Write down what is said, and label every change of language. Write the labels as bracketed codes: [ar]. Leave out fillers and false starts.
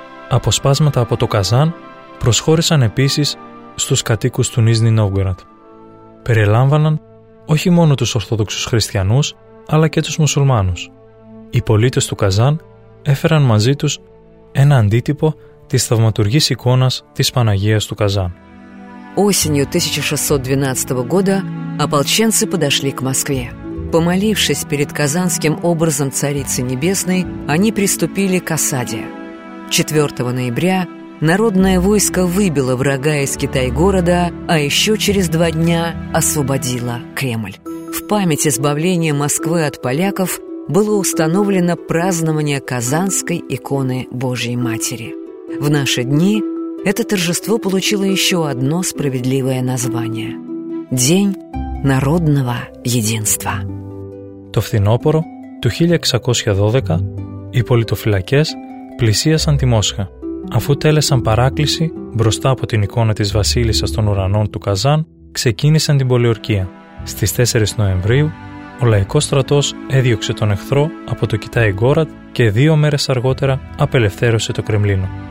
[el] Αποσπάσματα από το Καζάν προσχώρησαν επίσης στους κατοίκους του Νίζνη Νόβγκορατ. Περιλάμβαναν όχι μόνο τους Ορθόδοξους Χριστιανούς, αλλά και τους Μουσουλμάνους. Οι πολίτες του Καζάν έφεραν μαζί τους ένα αντίτυπο της θαυματουργής εικόνας της Παναγίας του Καζάν. [ru] Осенью 1612 года ополченцы подошли к Москве. Помолившись перед казанским образом Царицы Небесной, они приступили к осаде. 4 ноября народное войско выбило врага из Китай-города, а еще через два дня освободило Кремль. В память избавления Москвы от поляков было установлено празднование Казанской иконы Божьей Матери. В наши дни это торжество получило еще одно справедливое название – День народного единства. [el] Το φθινόπωρο του 1612 οι πολιτοφυλακές πλησίασαν τη Μόσχα, αφού τέλεσαν παράκληση μπροστά από την εικόνα της Βασίλισσας των Ουρανών του Καζάν, ξεκίνησαν την πολιορκία. Στις 4 Νοεμβρίου, ο λαϊκός στρατός έδιωξε τον εχθρό από το Κιτάι Γκόραντ και 2 μέρες αργότερα απελευθέρωσε το Κρεμλίνο.